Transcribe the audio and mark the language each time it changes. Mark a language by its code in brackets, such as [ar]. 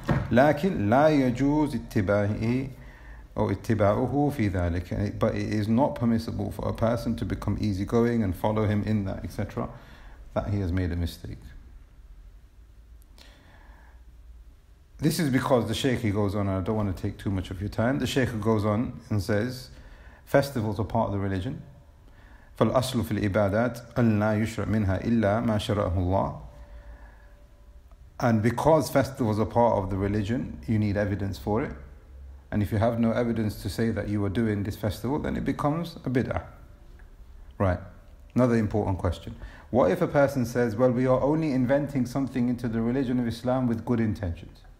[ar] لكن لا يجوز اتباعه أو اتباعه في ذلك, [en] but it is not permissible for a person to become easygoing and follow him in that, etc., that he has made a mistake. This is because the Shaykh, he goes on, and I don't want to take too much of your time, the Shaykh goes on and says, festivals are part of the religion. [ar] فالأصل في العبادات أن لا يشرع منها إلا ما شرعه الله. [en] And because festivals are part of the religion, you need evidence for it. And if you have no evidence to say that you are doing this festival, then it becomes a bid'ah. Right. Another important question. What if a person says, well, we are only inventing something into the religion of Islam with good intentions?